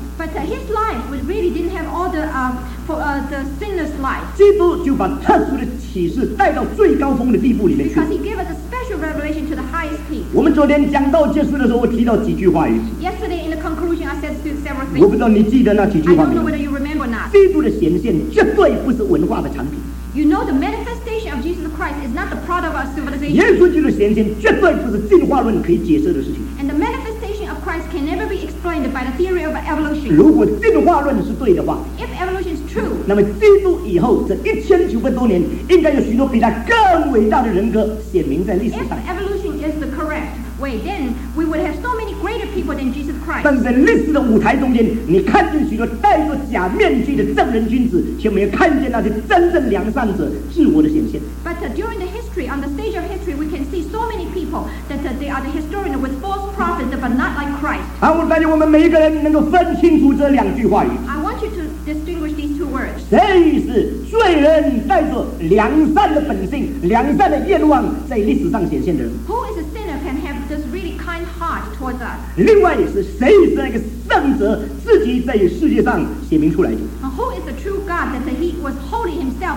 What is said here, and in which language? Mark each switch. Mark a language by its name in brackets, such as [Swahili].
[English] But his life was really didn't have all the sinless life. [Chinese] 基督就把特殊的启示带到最高峰的地步里面去。 [English] Because he gave us a special revelation to the highest peak. [Chinese] 我们昨天讲到结束的时候，我提到几句话语。 [English] Yesterday in the conclusion, I said several things. [Chinese] 我不知道你记得那几句话。 [English] I don't know whether you remember or not. [Chinese] 基督的显现绝对不是文化的产品。 [English] You know the manifestation of Jesus Christ is not the product of our civilization. [Chinese] 耶稣基督的显现绝对不是进化论可以解释的事情。 [English] And the manifestation Christ can never be explained by the theory of evolution. [Chinese] 如果进化论是对的话， [English] if evolution is true, [Chinese] 那么基督以后这1900多年应该有许多比他更伟大的人格显明在历史上。 [English] If evolution is the correct way, then we would have so many greater people than Jesus Christ. [Chinese] 但是在历史的舞台中间，你看见许多戴着假面具的正人君子，却没有看见那些真正良善者自我的显现。 [English] But during the history, on the stage of history, we can see so many people that they are the historian with false prophets, but not [Chinese] 好，我带领我们每一个人能够分清楚这两句话语。 [English] I want you to distinguish these two words. [Chinese] 谁是罪人带着良善的本性、良善的愿望在历史上显现的人 [English] ？Who is a sinner can have this really kind heart towards us？ [Chinese] 另外是谁是那个圣者自己在世界上显明出来的 [English] ？Who is the true God that he was holy himself?